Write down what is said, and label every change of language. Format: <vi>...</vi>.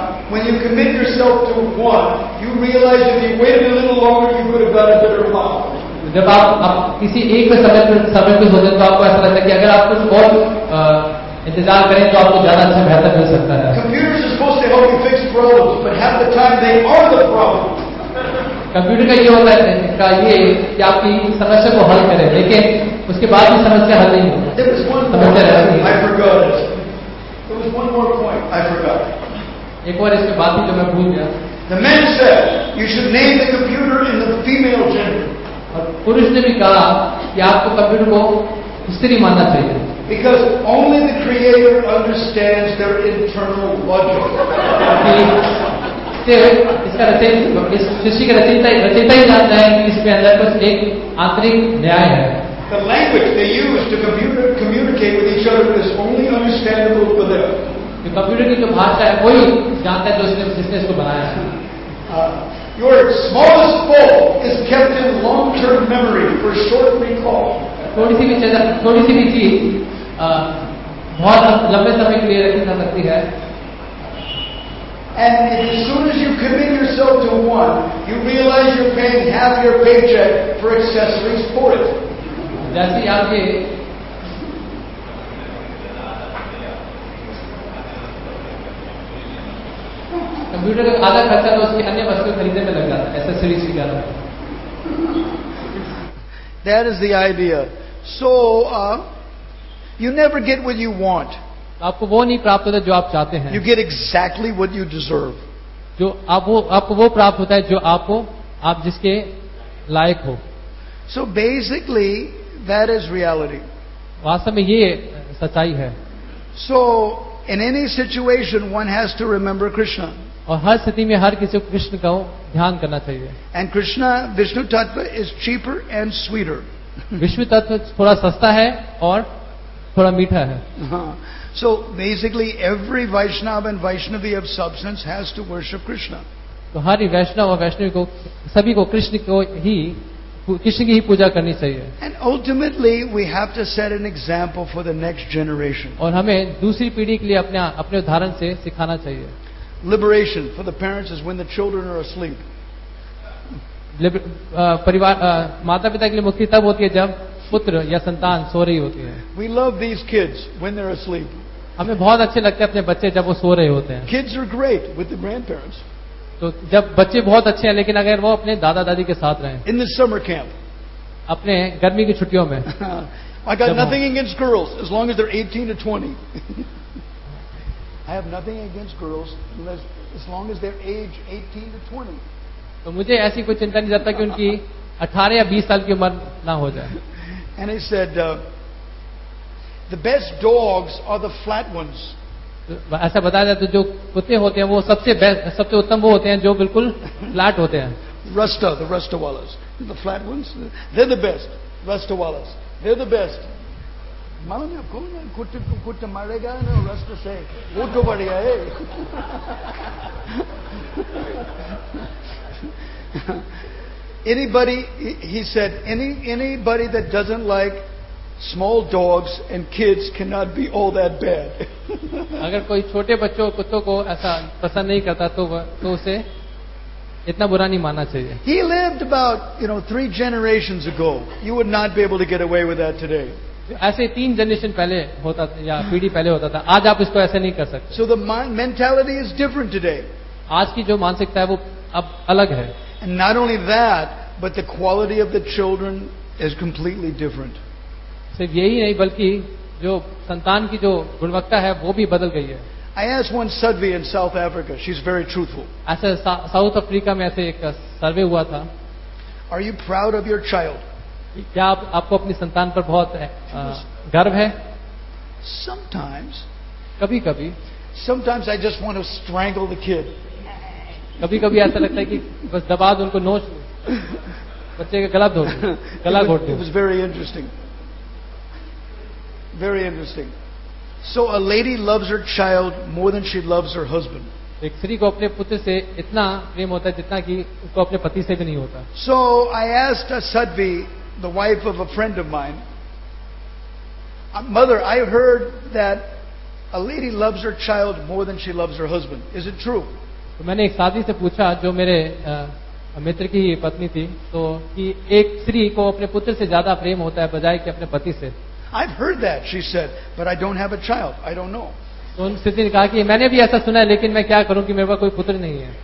<en>When you commit yourself to one, you realize if you waited a little longer, you could have got a better mom.</en> <hi>जब आप किसी एक में समय पर होते तो आपको ऐसा लगता है कि अगर आप कुछ और इंतजार करें तो आपको ज्यादा अच्छा बेहतर मिल सकता है.</hi> <en>Computers are supposed to help you fix problems, but half the time they are the problem.</en> <hi>Computer का ये होता है इसका ये कि आपकी समस्या को हल करें लेकिन उसके बाद भी समस्या हल नहीं होती. समस्या रहती है.</hi> <en>I forgot. There was one more point I forgot.</en> <hi>एक बार इसमें बात भी जो मैं भूल गया.</hi> <en>The man said, you should name the computer in the female gender.</en> <hi>और पुरुष ने भी कहा कि आपको कंप्यूटर को स्त्री मानना चाहिए.</hi> <en>Because only the creator understands their internal logic.</en> <hi>रचयिता ही जानता है कि इसके अंदर बस एक आंतरिक न्याय है.</hi> <en>The language they use to communicate with each other is only understandable for them.</en> <hi>Computer की जो भाषा है वही जानता है जो उसने जिसने इसको बनाया है.</hi> <en>Your smallest fault is kept in long-term memory for short recall.</en> <hi>थोड़ी सी भी चीज बहुत लंबे समय के लिए रखी जा सकती है.</hi> <en>And as soon as you commit yourself to one, you realize you're paying half your paycheck for accessories for it.</en> <hi>जैसे ही आपके कंप्यूटर का आधा खर्चा तो उसकी अन्य वस्तु खरीदने में लग जाता है, एक्सेसरीज की जाता है.</hi> <en>That is the idea. So, you never get what you want.</en> <hi>आपको वो नहीं प्राप्त होता जो आप चाहते हैं.</hi> <en>You get exactly what you deserve.</en> <hi>जो आपको वो प्राप्त होता है जो आपको आप जिसके लायक हो.</hi> <en>So basically, that is reality.</en> <hi>वास्तव में ये सच्चाई है.</hi> <en>So, in any situation, one has to remember Krishna.</en> <hi>और हर स्थिति में हर किसी को कृष्ण का ध्यान करना चाहिए.</hi> <en>And Krishna Vishnu tattva is cheaper and sweeter.</en> <hi>Vishnu तत्व थोड़ा सस्ता है और थोड़ा मीठा है.</hi> <en>So basically every Vaishnava and Vaishnavi of substance has to worship Krishna.</en> <hi>तो हर वैष्णव और वैष्णवी को सभी को कृष्ण की ही पूजा करनी चाहिए.</hi> <en>And ultimately we have to set an example for the next generation.</en> <hi>और हमें दूसरी पीढ़ी के लिए अपने उदाहरण से सिखाना चाहिए.</hi> <en>Liberation for the parents is when the children are asleep.</en> <hi>परिवार माता पिता के लिए मुक्ति तब होती है जब पुत्र या संतान सो रही होती है.</hi> <en>We love these kids when they're asleep.</en> <hi>हमें बहुत अच्छे लगते हैं अपने बच्चे जब वो सो रहे होते हैं.</hi> <en>Kids are great with the grandparents.</en> <hi>तो जब बच्चे बहुत अच्छे हैं लेकिन अगर वो अपने दादा दादी के साथ रहे.</hi> <en>In the summer camp.</en> <hi>अपने गर्मी की छुट्टियों में.</hi> <en>I got nothing against girls as long as they're 18 to 20. I have nothing against girls unless, as long as their age 18 to 20.</en> <hi>तो मुझे ऐसी कोई चिंता नहीं जाता कि उनकी 18 या 20 साल की उम्र ना हो जाए.</hi> <en>And he said, the best dogs are the flat ones.</en> <hi>ऐसा बताया जाता है जो कुत्ते होते हैं वो सबसे उत्तम वो होते हैं जो बिल्कुल फ्लैट होते हैं.</hi> <en>Ruster, the Ruster Wallas, the flat ones, they're the best. Ruster Wallas, they're the best.</en> <hi>मालूम है कौन है कुत्ते को कुत्ते मारेगा ना रस्ते से वो तो बढ़िया है.</hi> <en>Anybody, he said, anybody that doesn't like small dogs and kids cannot be all that bad.</en> <hi>अगर कोई छोटे बच्चों कुत्तों को ऐसा पसंद नहीं करता तो उसे इतना बुरा नहीं मानना चाहिए.</hi> <en>He lived about, you know, three generations ago. You would not be able to get away with that today.</en> <hi>ऐसे तीन जनरेशन पहले होता था या पीढ़ी पहले होता था आज आप इसको ऐसे नहीं कर सकते.</hi> <en>So the mentality is different today.</en> <hi>आज की जो मानसिकता है वो अब अलग है.</hi> <en>And not only that, but the quality of the children is completely different.</en> <hi>सिर्फ यही नहीं बल्कि जो संतान की जो गुणवत्ता है वो भी बदल गई है.</hi> <en>I asked one survey in South Africa. She's very truthful.</en> <hi>ऐसे साउथ अफ्रीका में ऐसे एक सर्वे हुआ था.</hi> <en>Are you proud of your child?</en> <hi>क्या आपको अपनी संतान पर बहुत गर्व है?</hi> <en>Sometimes.</en> <hi>कभी कभी.</hi> <en>Sometimes I just want to strangle the kid.</en> <hi>कभी कभी ऐसा लगता है कि बस दबा दो उनको नोच बच्चे का गला धो गला घोट दो.</hi> <en>It was very interesting. Very interesting. So a lady loves her child more than she loves her husband. एक स्त्री को अपने पुत्र से इतना प्रेम होता है जितना कि उसको अपने पति से भी नहीं होता. So I asked a sadhvi, the wife of a friend of mine, mother, I heard that a lady loves her child more than she loves her husband. Is it true?</en> <hi>तो मैंने एक साधी से पूछा जो मेरे मित्र की पत्नी थी तो कि एक स्त्री को अपने पुत्र से ज्यादा प्रेम होता है बजाय कि अपने पति से.</hi> <en>I've heard that, she said, but I don't have a child. I don't know.</en> <hi>तो उन स्त्री ने कहा कि मैंने भी ऐसा सुना है लेकिन मैं क्या करूं कि मेरे पास कोई पुत्र नहीं है.</hi>